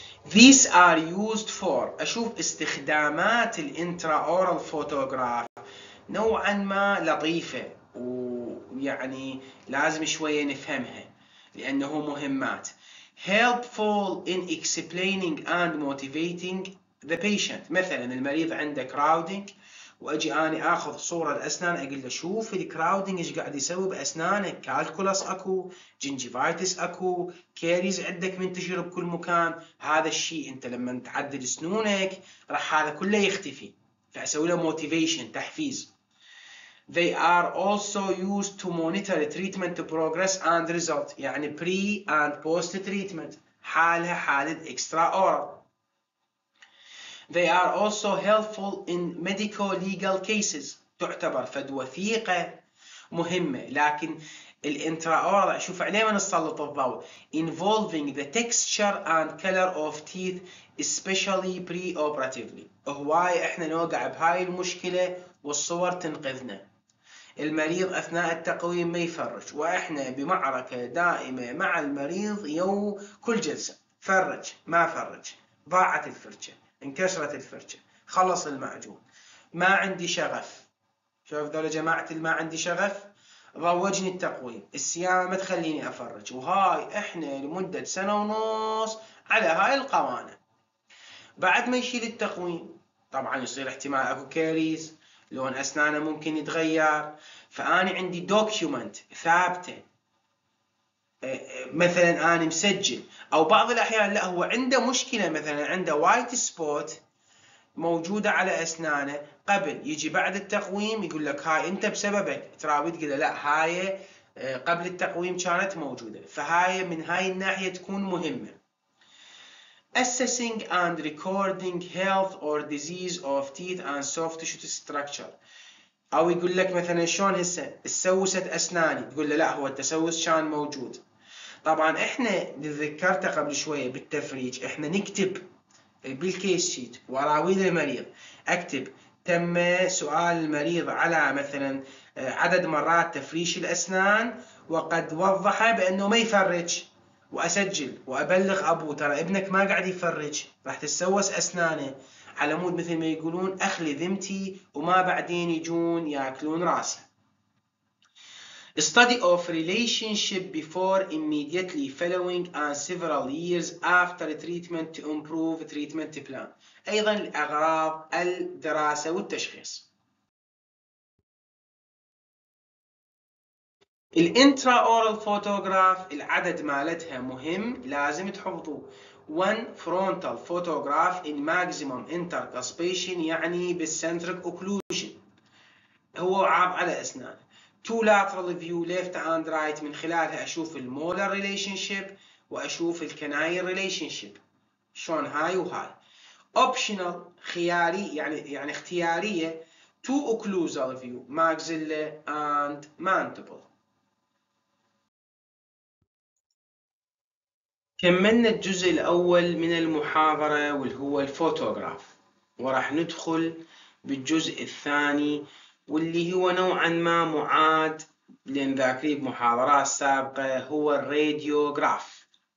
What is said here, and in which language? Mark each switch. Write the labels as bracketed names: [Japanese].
[English] These are used for. [Arabic] أشوف استخدامات الانتراورال فوتوغراف نوعا ما لطيفة، ويعني لازم شوية نفهمها لأنه مهمات. [English] Helpful in explaining and motivating the patient. [Arabic] مثلا المريض عنده crowding وأجي أنا أخذ صورة الأسنان أقول له شوف الكراودينج إيش قاعد يسوي بأسنانك، كالكولاس أكو، جينجيفايتس أكو، كاريز عندك منتشر بكل مكان، هذا الشيء أنت لما تعدل سنونك راح هذا كله يختفي، فأسوي له موتيفيشن تحفيز. [English] They are also used to monitor treatment progress and result، يعني pre and post treatment [Arabic] حالها حالة [English] extra oral. They are also helpful in medico-legal cases. [Arabic] تعتبر فد وثيقة مهمة، لكن الانتراورال شوف عليه من السلطة الضوء. [English] Involving the texture and color of teeth especially pre-operatively. [Arabic] هواي احنا نوقع بهاي المشكلة والصور تنقذنا. المريض اثناء التقويم ما يفرج، واحنا بمعركة دائمة مع المريض يوم كل جلسة. فرج، ما فرج، ضاعت الفرجة، انكسرت الفرجة، خلص المعجون، ما عندي شغف. شوف دولة جماعة ما عندي شغف، روجني التقويم، الصيام ما تخليني أفرج، وهاي إحنا لمدة سنة ونص على هاي القوانة. بعد ما يشيل التقويم طبعا يصير احتمال أكو كاريز، لون أسنانه ممكن يتغير، فأني عندي دوكيومنت ثابتة، مثلا أنا مسجل. أو بعض الأحيان لا، هو عنده مشكلة، مثلا عنده وايت سبوت موجودة على أسنانه قبل، يجي بعد التقويم يقول لك هاي أنت بسببك تراويد، قل لا هاي قبل التقويم كانت موجودة، فهاي من هاي الناحية تكون مهمة. [English] Assessing and recording health or disease of teeth and soft tissue structure. [Arabic] أو يقول لك مثلا شلون هسه تسوست أسناني، تقول له لا هو التسوس كان موجود. طبعا احنا ذكرته قبل شوية بالتفريج، احنا نكتب بالكيس شيت وراويد المريض، اكتب تم سؤال المريض على مثلا عدد مرات تفريش الأسنان وقد وضح بأنه ما يفرج، وأسجل وأبلغ أبوه ترى ابنك ما قاعد يفرج، راح تسوس أسنانه على مود مثل ما يقولون أخلي ذمتي وما بعدين يجون يأكلون راسه. [English] Study of relationship before immediately following and several years after treatment to improve treatment plan. [Arabic] أيضا لأغراض الدراسة والتشخيص. الانتراورال فوتوغراف العدد مالتها مهم لازم تحفظوه. [English] One frontal photograph in maximum intercuspation يعني بالcentric occlusion [Arabic] هو عاب على أسنان. [English] Two lateral view left and right [Arabic] من خلالها أشوف المولر relationship وأشوف الكناين relationship شون هاي وهاي. [English] Optional [Arabic] خياري يعني اختيارية [English] two occlusal view maxilla and mandible. [Arabic] كملنا الجزء الأول من المحاضرة واللي هو الفوتوغراف، وراح ندخل بالجزء الثاني واللي هو نوعا ما معاد لذاكري بمحاضرات سابقة، هو الراديوغراف.